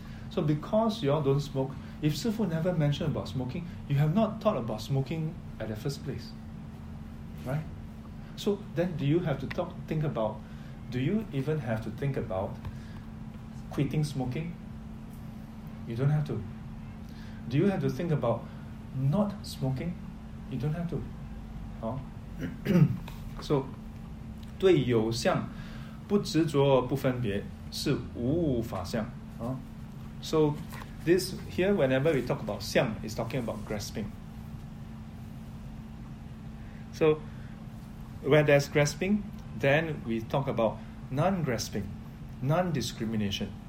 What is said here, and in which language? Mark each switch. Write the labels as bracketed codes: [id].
[en] So because you all don't smoke, if Sifu never mentioned about smoking, you have not thought about smoking at the first place. Right? So then do you have to think about quitting smoking? You don't have to. Do you have to think about not smoking? You don't have to. [zh] So 对有相不执着不分别是无法相. [en] So this here, whenever we talk about xiang, it's talking about grasping. So when there's grasping, then we talk about non-grasping, non-discrimination.